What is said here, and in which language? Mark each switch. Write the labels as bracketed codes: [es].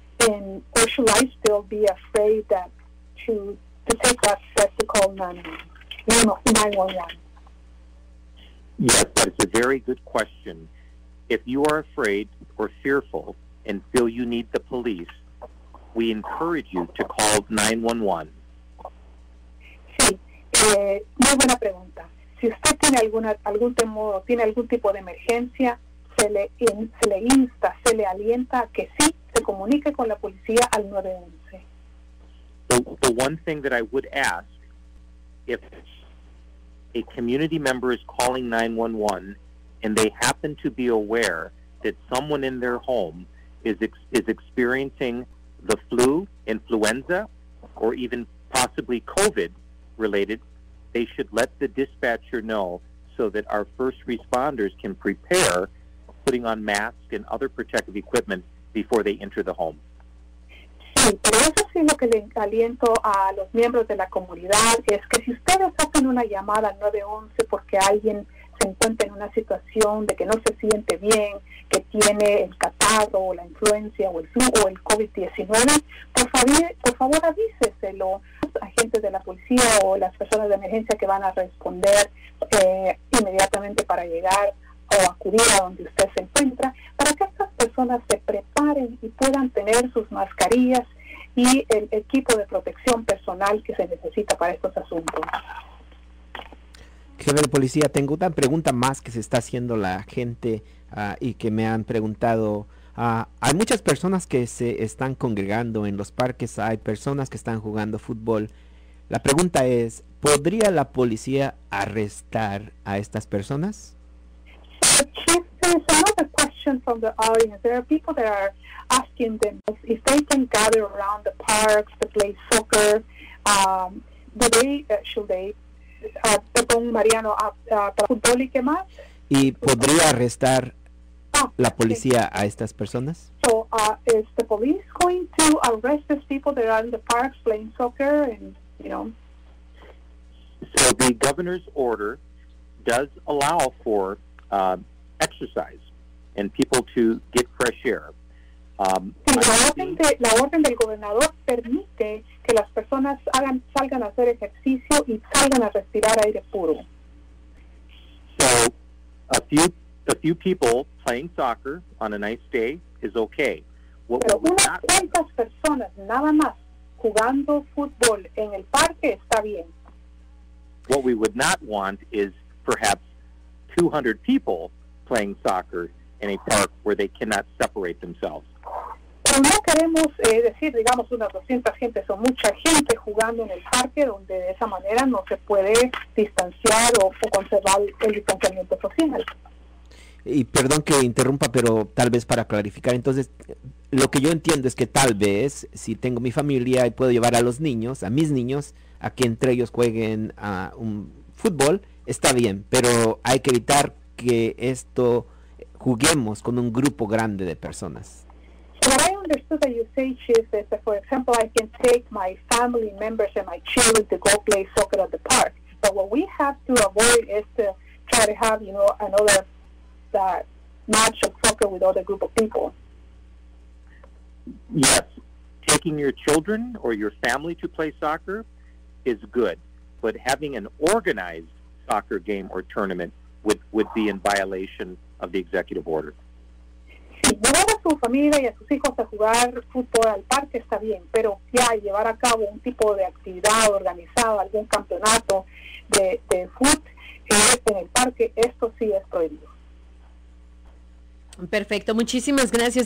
[en] Or should I still be afraid that to take that step to call 911? Yes, that is a very good question. If you are afraid or fearful and feel you need the police, we encourage you to call 911. [es] Sí, muy buena pregunta. Si usted tiene algún temor o tiene algún tipo de emergencia, se le insta, se le alienta a que sí, se comunique con la policía al 911. [en] The one thing that I would ask, if a community member is calling 911 and they happen to be aware that someone in their home is experiencing the flu, influenza, or even possibly COVID related, they should let the dispatcher know so that our first responders can prepare putting on masks and other protective equipment before they enter the home. [es] Sí, pero eso sí, lo que le aliento a los miembros de la comunidad es que si ustedes hacen una llamada al 911 porque alguien se encuentra en una situación de que no se siente bien, que tiene el catarro o la influenza o el flu o el COVID-19, por favor avíseselo a los agentes de la policía o las personas de emergencia que van a responder inmediatamente para llegar o acudir a donde usted se encuentra, para que estas personas se preparen y puedan tener sus mascarillas y el equipo de protección personal que se necesita para estos asuntos. Jefe de policía, tengo una pregunta más que se está haciendo la gente y que me han preguntado. Hay muchas personas que se están congregando en los parques, hay personas que están jugando fútbol. La pregunta es, ¿podría la policía arrestar a estas personas? [en] Chief, there is another question from the audience. There are people that are asking them if they can gather around the parks to play soccer. [es] Fútbol y qué más? ¿Y podría arrestar la policía a estas personas? [en] So, is the police going to arrest these people that are in the parks playing soccer and, you know? So, the governor's order does allow for exercise and people to get fresh air. [es] La orden del gobernador permite que las personas salgan a hacer ejercicio y salgan a respirar aire puro. [en] So, a few people playing soccer on a nice day is okay. [es] Pero unas cuantas personas nada más jugando fútbol en el parque está bien. [en] What we would not want is perhaps 200 people playing soccer in a park where they cannot separate themselves. [es] No queremos decir, digamos, unas 200 gente, son mucha gente jugando en el parque donde de esa manera no se puede distanciar o conservar el distanciamiento social. Y perdón que interrumpa, pero tal vez para clarificar, entonces, lo que yo entiendo es que tal vez, si tengo mi familia y puedo llevar a los niños, a mis niños, a que entre ellos jueguen a un fútbol, está bien, pero hay que evitar que esto juguemos con un grupo grande de personas. [en] What I understood that you say, Chief, is that, for example, I can take my family members and my children to go play soccer at the park. But what we have to avoid is to try to have, you know, another match of soccer with other group of people. Yes, taking your children or your family to play soccer is good, but having an organized soccer game or tournament would be in violation of the executive order. [es] Llevar a su familia y a sus hijos a jugar fútbol al parque está bien, pero ya llevar a cabo un tipo de actividad organizada, algún campeonato de fútbol en el parque, esto sí es prohibido. Perfecto, muchísimas gracias.